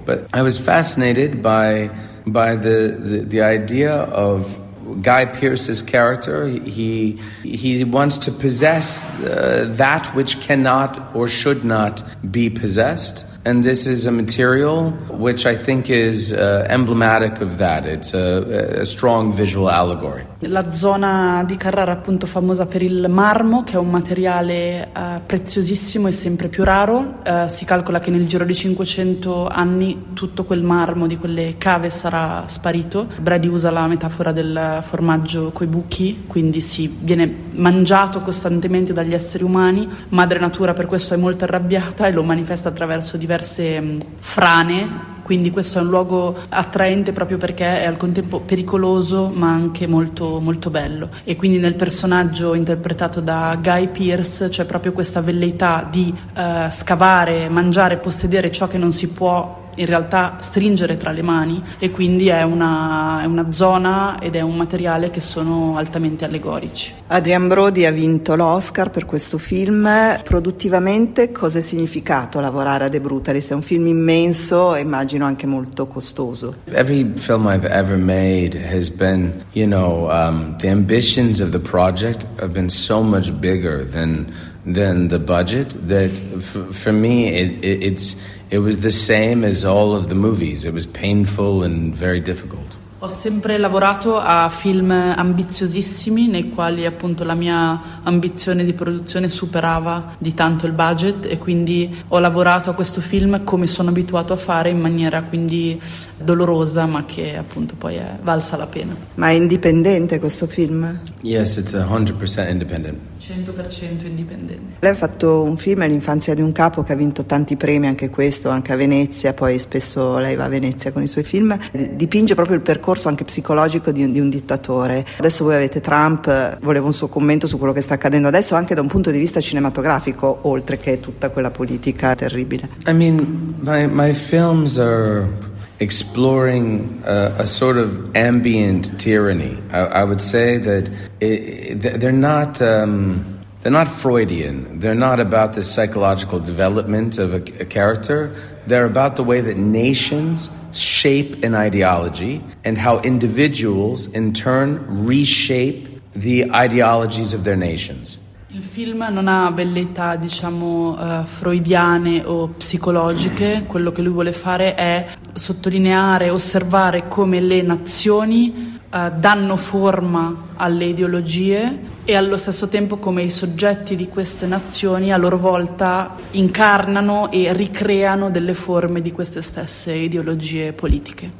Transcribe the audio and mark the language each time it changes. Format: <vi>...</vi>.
<en>But I was fascinated by the idea of Guy Pearce's character. He wants to possess that which cannot or should not be possessed. And this is a material which I think is emblematic of that. It's a strong visual allegory.</en> <it>La zona di Carrara, appunto, famosa per il marmo, che è un materiale preziosissimo e sempre più raro. Si calcola che nel giro di 500 anni tutto quel marmo di quelle cave sarà sparito. Brady usa la metafora del formaggio coi buchi, quindi si viene mangiato costantemente dagli esseri umani. Madre Natura per questo è molto arrabbiata e lo manifesta attraverso diverse frane, quindi questo è un luogo attraente proprio perché è al contempo pericoloso ma anche molto molto bello. E quindi nel personaggio interpretato da Guy Pearce c'è proprio questa velleità di scavare, mangiare, possedere ciò che non si può in realtà stringere tra le mani, e quindi è una zona ed è un materiale che sono altamente allegorici. Adrien Brody ha vinto l'Oscar per questo film. Produttivamente, cosa è significato lavorare a The Brutalist? È un film immenso, immagino anche molto costoso.</it> <en>Every film I've ever made has been, you know, the ambitions of the project have been so much bigger than the budget that for me it was the same as all of the movies. It was painful and very difficult.</en> <it>Ho sempre lavorato a film ambiziosissimi nei quali appunto la mia ambizione di produzione superava di tanto il budget, e quindi ho lavorato a questo film come sono abituato a fare, in maniera quindi dolorosa, ma che appunto poi è valsa la pena. Ma è indipendente questo film?</it> <en>Yes, it's 100% independent.</en> <it>100% indipendente. Lei ha fatto un film, L'infanzia di un capo, che ha vinto tanti premi, anche questo, anche a Venezia. Poi spesso lei va a Venezia con i suoi film. Dipinge proprio il percorso anche psicologico di un dittatore. Adesso voi avete Trump, volevo un suo commento su quello che sta accadendo adesso, anche da un punto di vista cinematografico, oltre che tutta quella politica terribile.</it> <en>I mean, my films are exploring a sort of ambient tyranny. I would say that they're not Freudian. They're not about the psychological development of a character. They're about the way that nations shape an ideology and how individuals in turn reshape the ideologies of their nations.</en> <it>Il film non ha velleità, diciamo, freudiane o psicologiche. Quello che lui vuole fare è sottolineare, osservare come le nazioni danno forma alle ideologie, e allo stesso tempo come i soggetti di queste nazioni a loro volta incarnano e ricreano delle forme di queste stesse ideologie politiche.</it>